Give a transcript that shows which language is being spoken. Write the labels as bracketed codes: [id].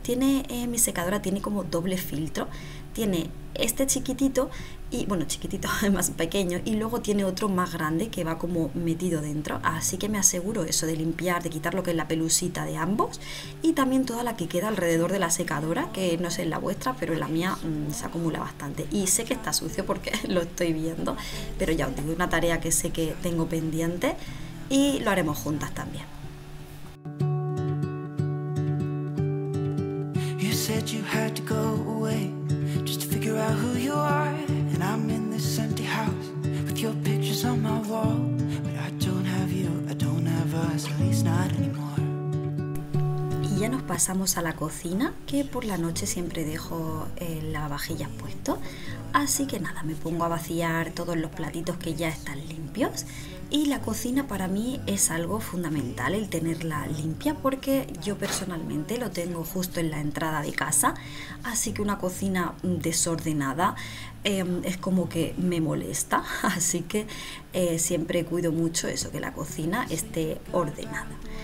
[es] Tiene mi secadora tiene como doble filtro, tiene este chiquitito y bueno, chiquitito más pequeño y luego tiene otro más grande que va como metido dentro, así que me aseguro eso de limpiar, de quitar lo que es la pelusita de ambos y también toda la que queda alrededor de la secadora, que no sé en la vuestra, pero en la mía se acumula bastante y sé que está sucio porque lo estoy viendo, pero ya os digo, una tarea que sé que tengo pendiente y lo haremos juntas también. [en] You said you had to go away just to figure out who you are, and I'm in this empty house with your pictures on my wall, but I don't have you, I don't have us, at least not anymore. [es] Ya nos pasamos a la cocina, que por la noche siempre dejo el lavavajillas puesto, así que nada, me pongo a vaciar todos los platitos que ya están limpios. Y la cocina para mí es algo fundamental, el tenerla limpia, porque yo personalmente lo tengo justo en la entrada de casa, así que una cocina desordenada es como que me molesta, así que siempre cuido mucho eso, que la cocina esté ordenada.